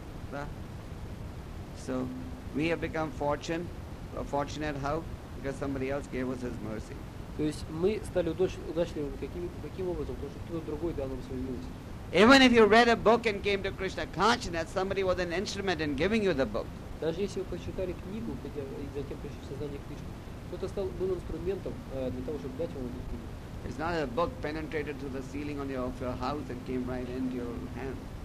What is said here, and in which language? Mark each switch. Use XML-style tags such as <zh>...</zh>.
<ru>Да.</ru> <en>So, we have become fortunate how? Because somebody else gave us his mercy.</en> <ru>То есть мы стали удачливыми каким образом? Потому что кто-то другой дал нам свою милость.</ru> <en>Even if you read a book and came to Krishna consciousness, somebody was an instrument in giving you the book.</en> <ru>Даже если вы прочитали книгу, и затем пришли в сознание Кришны, кто-то стал был инструментом для того, чтобы дать вам эту книгу.</ru> <en>It's not a book penetrated through the ceiling of your house and came right into your hand.</en>